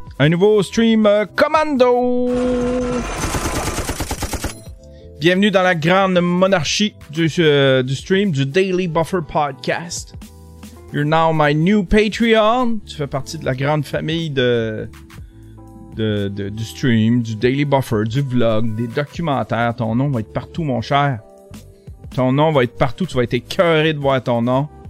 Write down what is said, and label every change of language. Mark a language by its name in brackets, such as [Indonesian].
[French] Un nouveau stream commando! Bienvenue dans la grande monarchie du stream du Daily Buffer Podcast. [English] You're now my new Patreon. [French] Tu fais partie de la grande famille du stream, du Daily Buffer, du vlog, des documentaires. Ton nom va être partout, mon cher. Ton nom va être partout. Tu vas être écœuré de voir ton nom.